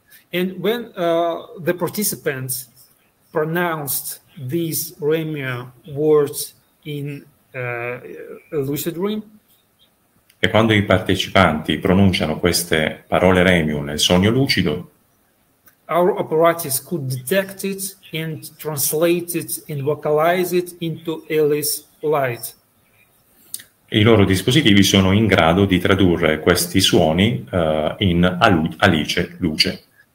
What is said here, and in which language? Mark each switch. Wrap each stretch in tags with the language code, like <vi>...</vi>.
<en>And when the participants pronounced these Remio words in a lucid dream.</en> <it>E quando i partecipanti pronunciano queste parole Remio nel sogno lucido,</it> <en>our apparatus could detect it and translate it and vocalize it into Alice light.</en> <it>I loro dispositivi sono in grado di tradurre questi suoni in Alice luce.</it>